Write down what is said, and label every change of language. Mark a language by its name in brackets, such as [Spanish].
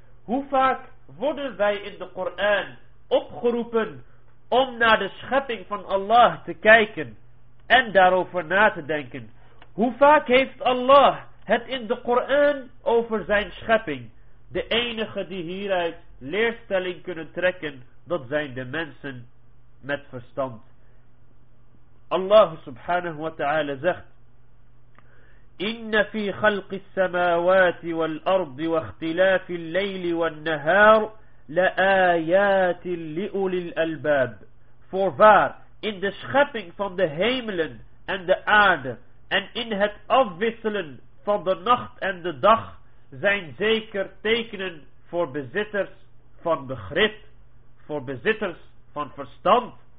[Dutch] Hoe vaak worden wij in de Koran opgeroepen om naar de schepping van Allah te kijken en daarover na te denken? Hoe vaak heeft Allah het in de Koran over zijn schepping? De enige die hieruit leerstelling kunnen trekken, dat zijn de mensen met verstand. [Arabic] Allah subhanahu wa ta'ala zegt: إن في خلق السماوات والأرض واختلاف الليل والنهار لآيات لأولي الألباب. [Dutch] Voorwaar, in de schepping van de hemelen en de aarde en in het afwisselen van de nacht en de dag zijn zeker tekenen voor bezitters van begrip, voor bezitters van verstand.